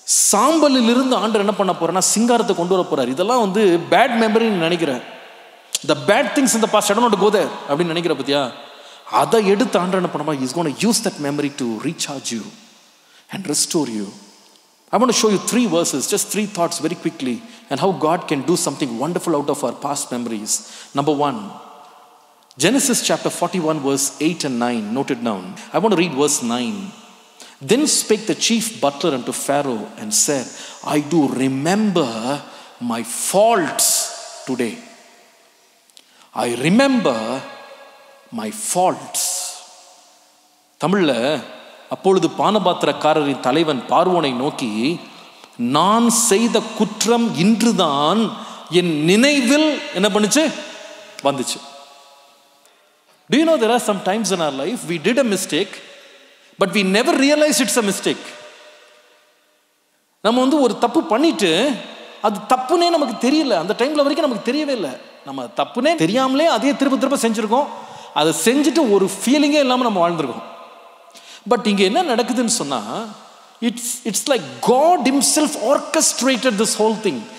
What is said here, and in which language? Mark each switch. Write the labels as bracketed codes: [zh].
[ta] சாம்பலிலிருந்து ஆண்டவர் என்ன பண்ண போறனா சிங்காரத்தை கொண்டு வர போறார். இதெல்லாம் வந்து பேட் மெமரின்னு நினைக்கிறேன். [en] the bad things [ta] இந்த பாஸ்ட் இடம் நோட்டு கோதர் அப்படின்னு நினைக்கிற பத்தியா, அதை எடுத்து ஆண்டவர் என்ன பண்ண, [en] Is gonna use that memory to recharge you and restore you. I want show you three verses, just three thoughts very quickly, and how God can do something wonderful out of our past memories. Number one, Genesis chapter 41 verse 8 and 9, noted down. I want to read verse 9. Then spake the chief butler unto Pharaoh and said, I do remember my faults today. I remember my faults. [ta] தமிழ்ல அப்பொழுது பானபாத்திரக்காரரின் தலைவன் பார்வோனை நோக்கி, நான் செய்த குற்றம் இன்றுதான் என் நினைவில் என்ன பண்ணுச்சு, வந்துச்சு. [en] Do you know there are some times in our life we did a mistake, but we never realize it's a mistake. [ta] நம்ம வந்து ஒரு தப்பு பண்ணிட்டு அது தப்புனே நமக்கு தெரியல, அந்த டைம்ல வரைக்கும் நமக்கு தெரியவே இல்லை. நம்ம தப்புனே தெரியாமலே அதே திருப்ப திருப்ப செஞ்சிருக்கோம், அதை செஞ்சுட்டு ஒரு ஃபீலிங்கே இல்லாம நம்ம வாழ்ந்திருக்கோம். [en] but [ta] இங்க என்ன நடக்குதுன்னு சொன்னா, [en] It's like God himself orchestrated this whole thing.